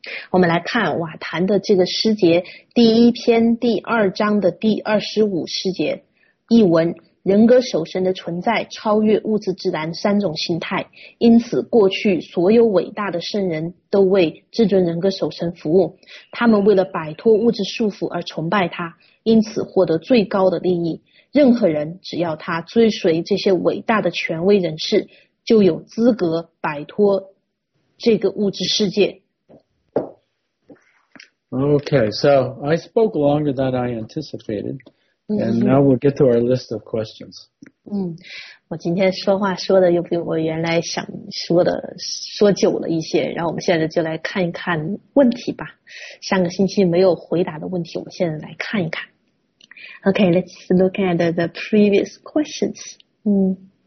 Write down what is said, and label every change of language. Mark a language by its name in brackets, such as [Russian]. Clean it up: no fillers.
[Chinese] 我们来看瓦坛的这个诗节第一篇第二章的第二十五诗节译文人格守神的存在超越物质自然三种形态因此过去所有伟大的圣人都为至尊人格守神服务他们为了摆脱物质束缚而崇拜他因此获得最高的利益任何人只要他追随这些伟大的权威人士就有资格摆脱这个物质世界 [English] Okay, so I spoke longer than I anticipated. And now we'll get to our list of questions. [Chinese] 我今天说话说的又比我原来想说的说久了一些，然后我们现在就来看一看问题吧。上个星期没有回答的问题，我们现在来看一看。 [English] Okay, let's look at the previous questions.